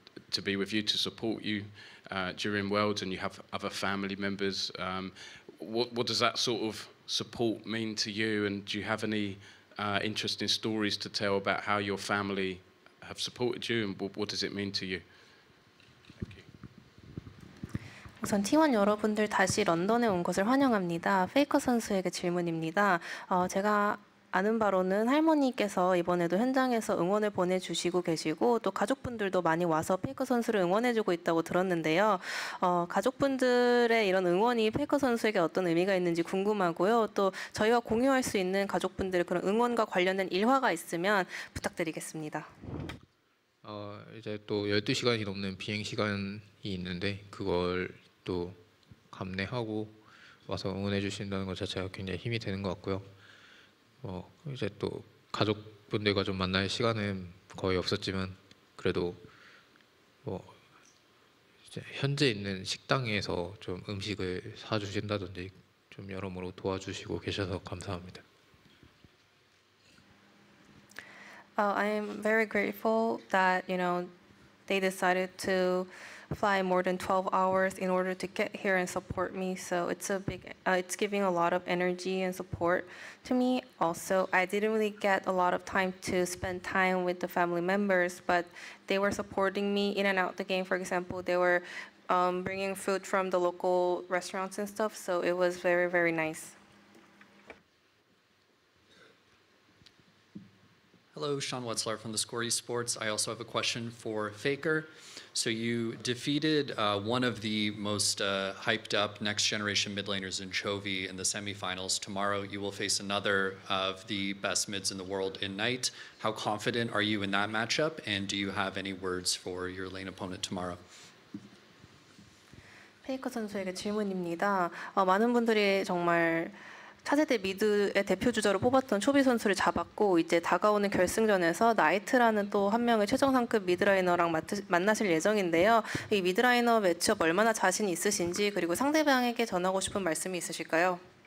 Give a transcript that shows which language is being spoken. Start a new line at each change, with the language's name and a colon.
English: to be with you, to support you during Worlds, and you have other family members. What does that sort of support mean to you, and do you have any interesting stories to tell about how your family have supported you, and what does it mean to you?
Korean: 우선 팀원 여러분들 다시 런던에 온 것을 환영합니다. 페이커 선수에게 질문입니다. 제가 아는 바로는 할머니께서 이번에도 현장에서 응원을 보내주시고 계시고 또 가족분들도 많이 와서 페이커 선수를 응원해주고 있다고 들었는데요. 가족분들의 이런 응원이 페이커 선수에게 어떤 의미가 있는지 궁금하고요. 또 저희와 공유할 수 있는 가족분들의 그런 응원과 관련된 일화가 있으면 부탁드리겠습니다. 이제 또 12시간이 넘는 비행 시간이 있는데 그걸 또 감내하고 와서 응원해 주신다는 것 자체가 굉장히 힘이 되는 것 같고요. 이제 또 가족분들과 좀 만날 시간은 거의 없었지만 그래도 이제 현재 있는 식당에서 좀 음식을 사 주신다든지 좀 여러모로 도와주시고 계셔서 감사합니다.
English: I am very grateful that, you know, they decided to fly more than 12 hours in order to get here and support me. So it's a big, it's giving a lot of energy and support to me. Also, I didn't really get a lot of time to spend time with the family members, but they were supporting me in and out the game. For example, they were bringing food from the local restaurants and stuff. So it was very, very nice. Hello, Sean Wetzler from The Score Esports. I also have a question for Faker. So you defeated one of the most hyped up next generation mid laners in Chovy in the semifinals. Tomorrow you will face another of the best mids in the world in Knight. How confident are you in that matchup? And do you have any words for your lane opponent tomorrow?
Korean: 페이커 선수에게 질문입니다. 많은 분들이 정말 차세대 미드의 대표 주자로 뽑았던 초비 선수를 잡았고 이제 다가오는 결승전에서 나이트라는 또 한 명의 최정상급 미드라이너랑 만나실 예정인데요. 이 미드라이너 매치업 얼마나 자신 있으신지 그리고 상대방에게 전하고 싶은 말씀이 있으실까요?